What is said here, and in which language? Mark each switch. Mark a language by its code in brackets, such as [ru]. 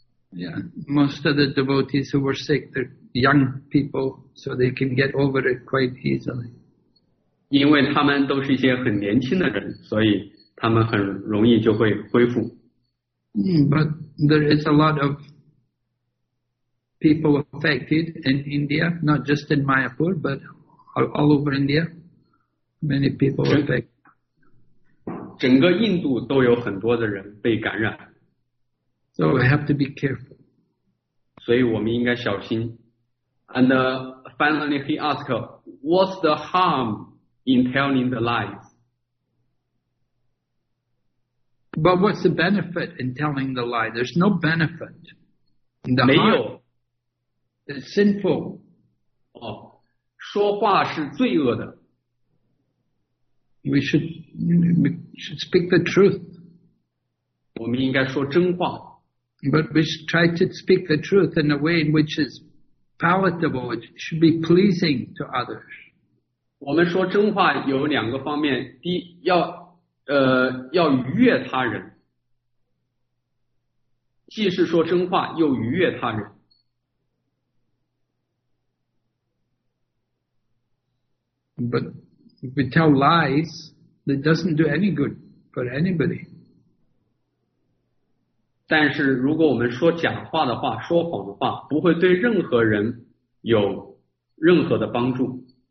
[en] Yeah, most of the devotees who were sick, they're young people, so they can get over it quite easily. [zh] 因为他们都是一些很年轻的人，所以他们很容易就会恢复。 [en] But there is a lot of people affected in India, not just in Mayapur, but all over India. Many people affected. [zh] 整个印度都有很多的人被感染。 [en] So we have to be careful. [zh] 所以我们应该小心。 [en] And finally he asked, what's the harm in telling the lies? But what's the benefit in telling the lie? There's no benefit. [zh] The 没有。 [en] It's sinful. [zh] 哦，说话是罪恶的。 [en] We should speak the truth. [zh] 我们应该说真话。 [en] But we should try to speak the truth in a way in which is palatable, it should be pleasing to others. [zh] 我们说真话有两个方面，第一，要愉悦他人，既是说真话又愉悦他人。 [en] But if we tell lies, that doesn't do any good for anybody. [zh] 但是如果我们说假话的话，说谎的话，不会对任何人有任何的帮助。